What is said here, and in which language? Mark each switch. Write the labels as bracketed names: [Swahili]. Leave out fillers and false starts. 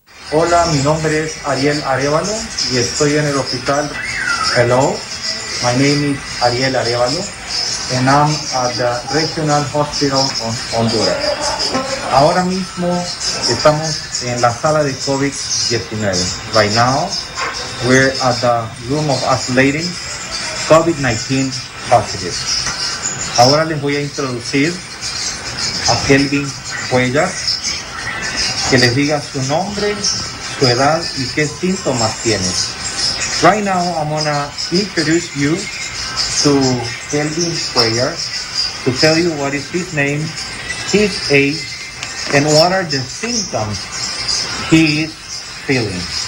[Spanish] Hola, mi nombre es Ariel Arevalo y estoy en el hospital. [English] Hello, my name is Ariel Arevalo and I'm at the Regional Hospital of Honduras. [Spanish] Ahora mismo estamos en la sala de COVID-19. [English] Right now, we're at the room of isolating COVID-19 positive. [Spanish] Ahora les voy a introducir a Kelvin Cuellar, que les diga su nombre, su edad y qué síntomas tiene. [English] Right now, I'm gonna introduce you to Kelvin Cuellar to tell you what is his name, his age, and what are the symptoms he is feeling.